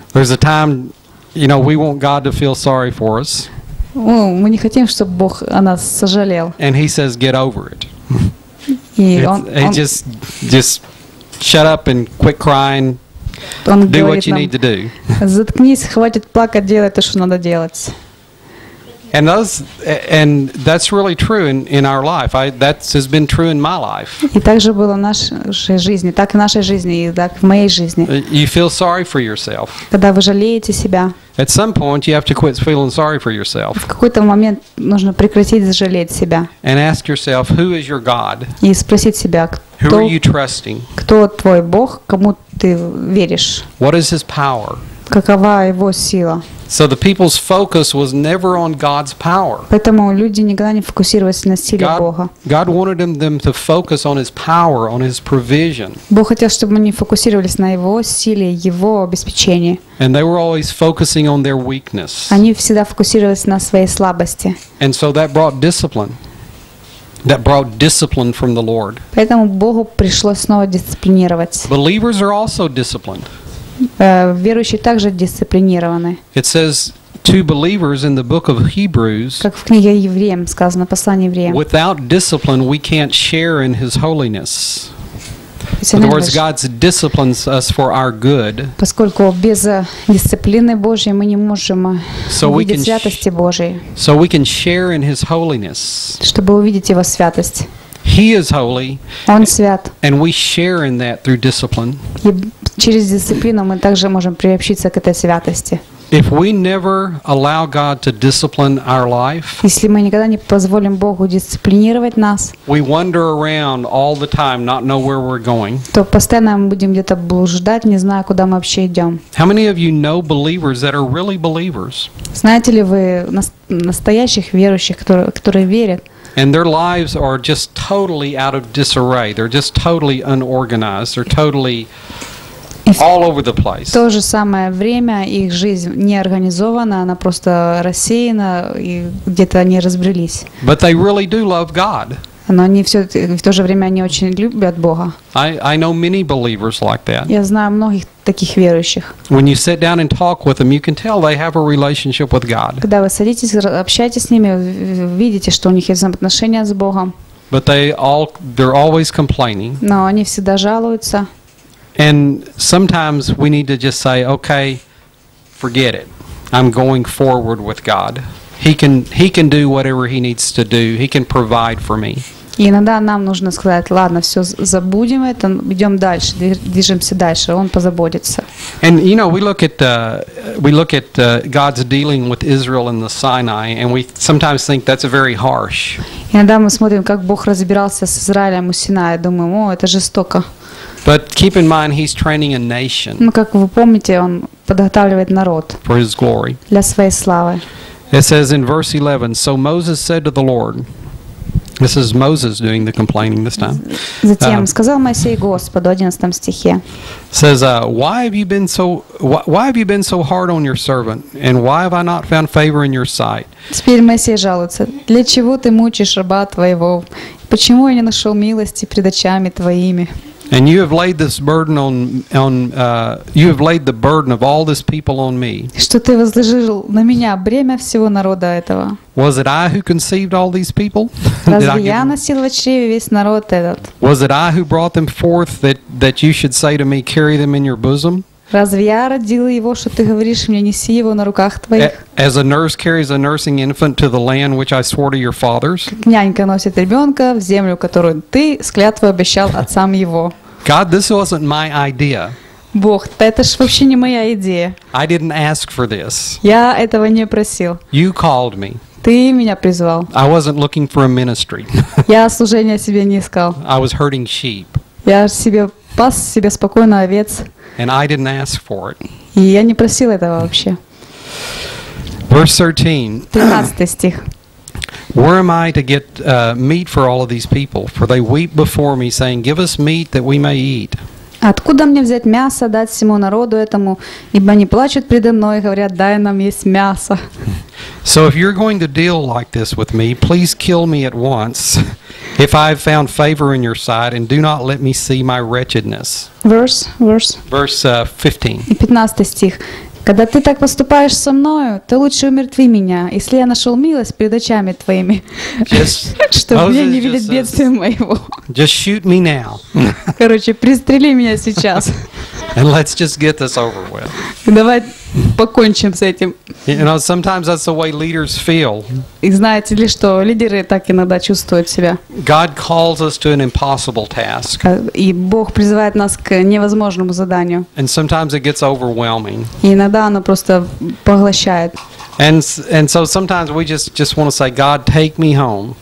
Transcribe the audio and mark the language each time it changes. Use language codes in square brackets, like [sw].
[en] There's a time, you know, we want God to feel sorry for us. [ru] Мы не хотим, чтобы Бог о нас сожалел. [en] And he says, get over it. [ru] И он [en] just shut up and quit crying. [ru] Он [en] do what you [ru] нам, [en] need to do. [ru] Заткнись, хватит плакать, делай то, что надо делать. [en] And that's really true in our life. That has been true in my life. [ru] И так же было в нашей жизни, так в нашей жизни и так в моей жизни. [en] You feel sorry for yourself. [ru] Когда вы жалеете себя. [en] At some point you have to quit feeling sorry for yourself. [ru] В какой-то момент нужно прекратить жалеть себя. [en] And ask yourself, who is your God? [ru] И спросить себя, [en] who are you trusting? [ru] Кто твой Бог, кому ты веришь? [en] What is his power? [ru] Какова его сила? [en] So the people's focus was never on God's power. [ru] Поэтому люди никогда не фокусировались на силе Бога. [en] God wanted them to focus on his power, on his provision. [ru] Бог хотел, чтобы они фокусировались на его силе, его обеспечении. [en] And they were always focusing on their weakness. [ru] Они всегда фокусировались на своей слабости. [en] And so that brought discipline. That brought discipline from the Lord. [ru] Поэтому Богу пришлось снова дисциплинировать. [en] Believers are also disciplined. [ru] Верующие также дисциплинированы. [en] It says to believers in the book of Hebrews. [ru] Как в книге Евреям сказано, послание Евреям. [en] Without discipline, we can't share in His holiness. In other words, God disciplines us for our good. [ru] Поскольку без дисциплины Божьей мы не можем увидеть святости Божьей. [en] So we can share in His holiness. [ru] Чтобы увидеть Его святость. [en] He is holy. [ru] Он свят. [en] And we share in that through discipline. [ru] Через дисциплину мы также можем приобщиться к этой святости. [en] If we never allow God to discipline our life, [ru] если мы никогда не позволим Богу дисциплинировать нас, [en] we wander around all the time, not know where we're going. [ru] То постоянно мы будем где-то блуждать, не зная, куда мы вообще идем. [en] How many of you know believers that are really believers? [ru] Знаете ли вы настоящих верующих, которые верят? [en] And their lives are just totally out of disarray. They're just totally unorganized. They're totally all over the place. [ru] То же самое время их жизнь не организована, она просто рассеяна и где-то они разбрелись. [en] But they really do love God. [ru] Но они все в то же время они очень любят Бога. [en] I know many believers like that. [ru] Я знаю многих таких верующих. [en] When you sit down and talk with them, you can tell they have a relationship with God. [ru] Когда вы садитесь, общаетесь с ними, видите, что у них есть взаимоотношения с Богом. [en] But they're always complaining. [ru] Но они всегда жалуются. [en] And sometimes we need to just say, okay, forget it. I'm going forward with God. He can do whatever he needs to do. He can provide for me. [ru] И иногда нам нужно сказать, ладно, все, забудем это, идем дальше, движемся дальше, он позаботится. [en] And you know, we look at God's dealing with Israel in the Sinai, and we sometimes think that's very harsh. [ru] Иногда мы смотрим, как Бог разбирался с Израилем у Синая, думаем, о, это жестоко. [en] But keep in mind, he's training a nation. [ru] Ну, как вы помните, он подготавливает народ. [en] For his glory. [ru] Для своей славы. [en] It says in verse 11, so Moses said to the Lord, this is Moses doing the complaining this time. [ru] Затем сказал Моисей Господу, 11 стихе. [en] Says, why have you been so hard on your servant, and why have I not found favor in your sight? [ru] Теперь Моисей жалуется, для чего ты мучишь раба твоего, почему я не нашел милости пред очами твоими? [en] And you have laid this burden you have laid the burden of all this people on me. [ru] Что ты возложил на меня бремя всего народа этого? [en] Was it I who conceived all these people? [ru] Разве я носил в чреве весь народ этот? [en] Was it I who brought them forth that you should say to me, carry them in your bosom? [ru] Разве я родил его, что ты говоришь мне, неси его на руках твоих? [en] As a nurse carries a nursing infant to the land which I swore to your fathers. [ru] Как нянька носит ребенка в землю, которую ты с клятвой обещал отцам его. [en] God, this wasn't my idea. [ru] Бог, это ж вообще не моя идея. [en] I didn't ask for this. [ru] Я этого не просил. [en] You called me. [ru] Ты меня призвал. [en] I wasn't looking for a ministry. [ru] Я служение себе не искал. [en] I was herding sheep. [ru] Я себе пас себе спокойно овец. [en] And I didn't ask for it. [ru] И я не просил этого вообще. [en] Verse 13. [ru] 13-й стих. [en] Where am I to get meat for all of these people? For they weep before me, saying, "Give us meat that we may eat." [ru] Откуда мне взять мясо дать всему народу этому? Ибо они плачут предо мной и говорят: "Дай нам есть мясо." [en] So if you're going to deal like this with me, please kill me at once. If I have found favor in your sight, and do not let me see my wretchedness. Verse 15. [ru] Когда ты так поступаешь со мною, то лучше умертви меня, если я нашел милость перед очами твоими, чтобы меня не видеть бедствия моего. [en] Just shoot me now. [ru] Короче, пристрели меня сейчас. [en] And let's just get this over with. [ru] Давай покончим с этим. [en] You know, sometimes that's the way leaders feel. [ru] И знаете ли, что лидеры так иногда чувствуют себя. [en] God calls us to an impossible task. [ru] И Бог призывает нас к невозможному заданию. [en] And sometimes it gets overwhelming. [ru] И иногда оно просто поглощает. [en] And so sometimes we just want to say, God, take me home.